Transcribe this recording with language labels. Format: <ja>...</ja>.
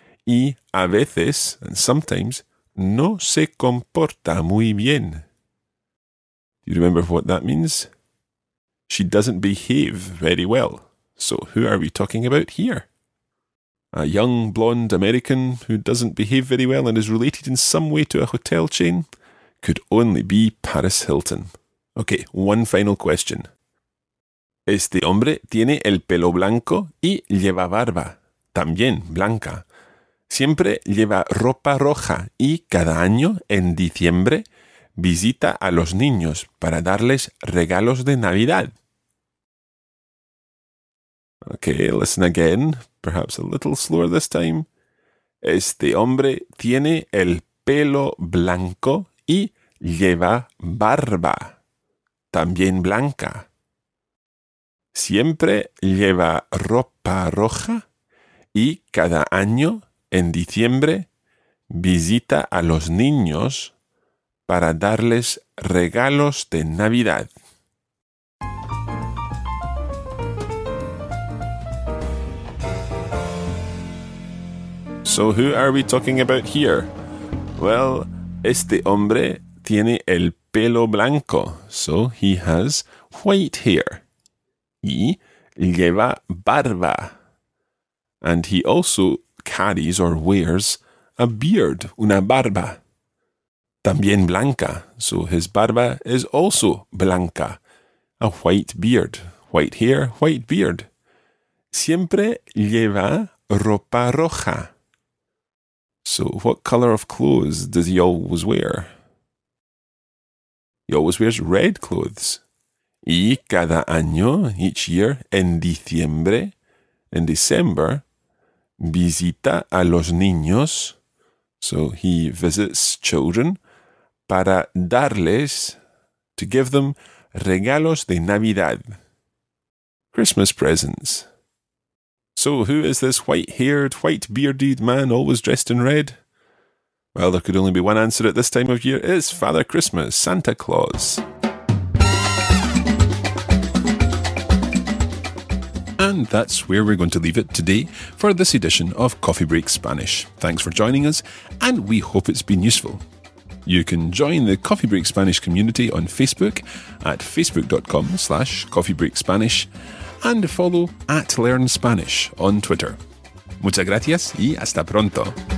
<es>Y a veces,</es> <en>and sometimes,</en> <es>no se comporta muy bien.</es> <en>Do you remember what that means? She doesn't behave very well. So who are we talking about here? A young blonde American who doesn't behave very well and is related in some way to a hotel chain could only be Paris Hilton. Okay, one final question.</en> <es>Este hombre tiene el pelo blanco y lleva barba, también blanca. Siempre lleva ropa roja y cada año, en diciembre, visita a los niños para darles regalos de Navidad.</es> <en>Okay, listen again, perhaps a little slower this time.</en> <es>Este hombre tiene el pelo blanco y lleva barba, también blanca. Siempre lleva ropa roja y cada año, en diciembre, visita a los niños para darles regalos de Navidad.</es> <en>So who are we talking about here?</en> <es>Well, este hombre tiene el pelo blanco,</es> <en>so he has white hair.</en> <es>Y lleva barba.</es> <en>And he also carries or wears a beard,</en> <es>una barba. También blanca.</es> <en>So his barba is also blanca. A white beard. White hair, white beard.</en> <es>Siempre lleva ropa roja.</es> <en>So what color of clothes does he always wear? He always wears red clothes.</en> <es>Y cada año,</es> <en>each year,</en> <es>en diciembre,</es> <en>in December,</en> <es>visita a los niños,</es> <en>so he visits children,</en> <es>para darles,</es> <en>to give them,</en> <es>regalos de Navidad,</es> <en>Christmas presents. So who is this white-haired, white-bearded man always dressed in red? Well, there could only be one answer at this time of year. It's Father Christmas, Santa Claus. And that's where we're going to leave it today for this edition of Coffee Break Spanish. Thanks for joining us, and we hope it's been useful. You can join the Coffee Break Spanish community on Facebook at facebook.com/coffeebreakspanish and follow at Learn Spanish on Twitter.</en> <es>Muchas gracias y hasta pronto.</es>